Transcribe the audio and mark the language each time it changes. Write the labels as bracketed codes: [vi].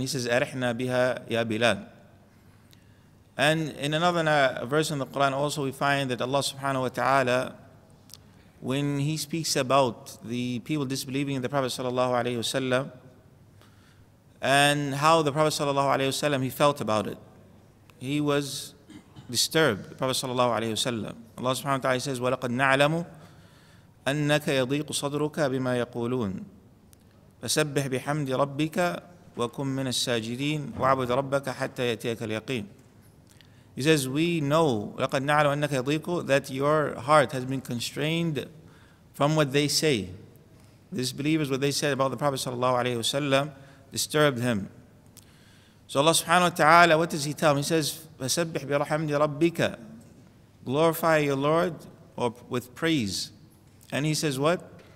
[en] He says, "Arihna biha ya Bilal." And in another verse in the Quran also, we find that Allah subhanahu wa ta'ala, when he speaks about the people disbelieving in the Prophet sallallahu alaihi wasallam, and how the Prophet sallallahu alaihi wasallam, he felt about it. He was disturbed, the Prophet sallallahu alaihi wasallam. Allah subhanahu wa ta'ala says, [ar] وَلَقَدْ نَعْلَمُ أَنَّكَ يَضِيقُ صَدْرُكَ بِمَا يَقُولُونَ فَسَبِّحْ بِحَمْدِ رَبِّكَ وَكُمْ مِنَ السَّاجِدِينَ وَعَبُدْ رَبَّكَ حَتَّى يَتِيَكَ الْيَقِينَ. [en] He says, we know, [ar] لَقَدْ نَعْلَمُ أَنَّكَ يَضِيقُ, [en] that your heart has been constrained from what they say. Disbelievers, what they said about the Prophet sallallahu alaihi wasallam disturbed him. So Allah subhanahu wa ta'ala, what does he tell him? He says, [ar] فَسَبِّحْ بِرَحَمْدِ رَبِّكَ, [en] glorify your Lord or with praise. And he says what?